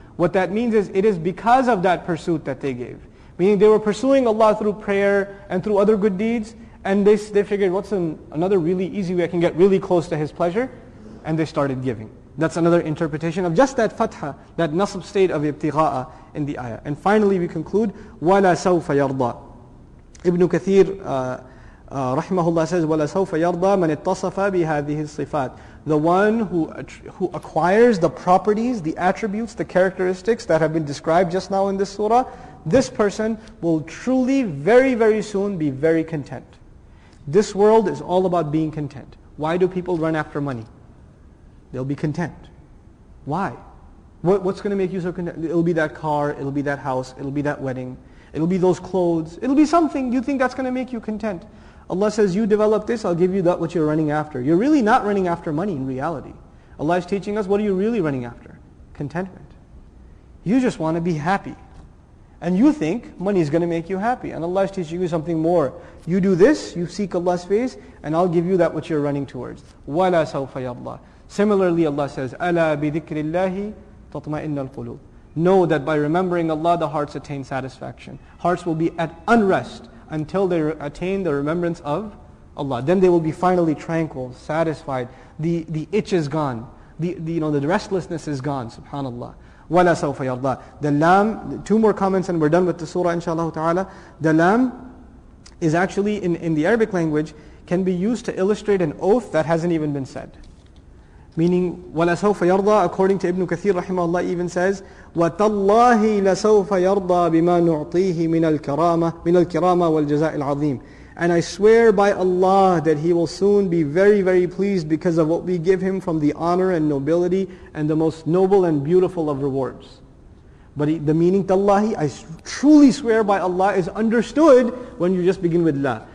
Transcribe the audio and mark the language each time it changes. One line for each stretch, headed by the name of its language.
English: What that means is it is because of that pursuit that they gave. Meaning they were pursuing Allah through prayer and through other good deeds, and they figured, what's another really easy way I can get really close to His pleasure? And they started giving. That's another interpretation of just that fatha, that nasb state of ibtigha'a in the ayah. And finally we conclude,
Arabic: وَلَا سَوْفَ يَرْضَى.
English: Ibn Kathir, rahimahullah, says,
Arabic: وَلَا سَوْفَ يَرْضَى مَنِ اتَّصَفَ بِهَذِهِ الصِّفَاتِ.
English: The one who acquires the properties, the attributes, the characteristics that have been described just now in this surah, this person will truly, very, very soon be very content. This world is all about being content. Why do people run after money? They'll be content. Why? What's going to make you so content? It'll be that car, it'll be that house, it'll be that wedding, it'll be those clothes, it'll be something you think that's going to make you content. Allah says, you develop this, I'll give you that which you're running after. You're really not running after money in reality. Allah is teaching us, what are you really running after? contentment. You just want to be happy. And you think money is going to make you happy. And Allah is teaching you something more. You do this, you seek Allah's face, and I'll give you that which you're running towards.
Arabic: وَلَا سَوْفَ يَبْلَى.
English: Similarly, Allah says,
Arabic: أَلَا بِذِكْرِ اللَّهِ تَطْمَئِنَّ الْقُلُوبِ.
English: Know that by remembering Allah, the hearts attain satisfaction. Hearts will be at unrest until they attain the remembrance of Allah. Then they will be finally tranquil, satisfied. The itch is gone. The restlessness is gone, subhanAllah.
Arabic: وَلَا سَوْفَ يَرْضَى.
English: The lam, two more comments and we're done with the surah, inshaAllah ta'ala. The lam is actually, in the Arabic language, can be used to illustrate an oath that hasn't even been said. Meaning,
Arabic: وَلَا سَوْفَ يَرْضَى,
English: according to Ibn Kathir rahimahullah, even says,
Arabic: وَتَاللَّهِ لَسَوْفَ يَرْضَى بِمَا نُعْطِيهِ مِنَ الْكِرَامَ وَالْجَزَاءِ الْعَظِيمِ.
English: And I swear by Allah that He will soon be very, very pleased because of what we give Him from the honor and nobility and the most noble and beautiful of rewards. But the meaning,
Arabic: تَاللَّهِ,
English: I truly swear by Allah, is understood when you just begin with La.